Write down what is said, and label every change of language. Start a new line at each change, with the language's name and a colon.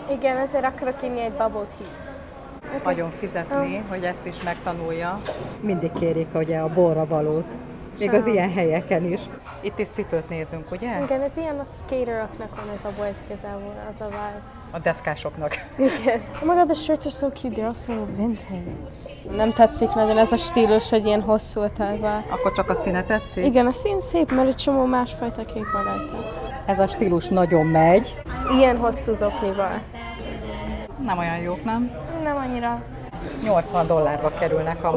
Hungarian: Igen, ezért akarok inni egy babot hit. Hagyom fizetni, hogy ezt is megtanulja. Mindig kérik ugye a borra valót, még az ilyen helyeken is. Itt is cipőt nézünk, ugye? Igen, ez ilyen a skateroknak van ez a bolt igazából, az a vibe. A deszkásoknak. Igen.
English: Oh my god, the shirts are so cute, they're also vintage.
Hungarian: Nem tetszik nagyon ez a stílus, hogy ilyen hosszú ötelben. Akkor csak a színe tetszik? Igen, a szín szép, mert egy csomó másfajta kép van rajta. Ez a stílus nagyon megy. Ilyen hosszú zoknival. Nem olyan jók, nem? Nem annyira. $80 kerülnek amúgy.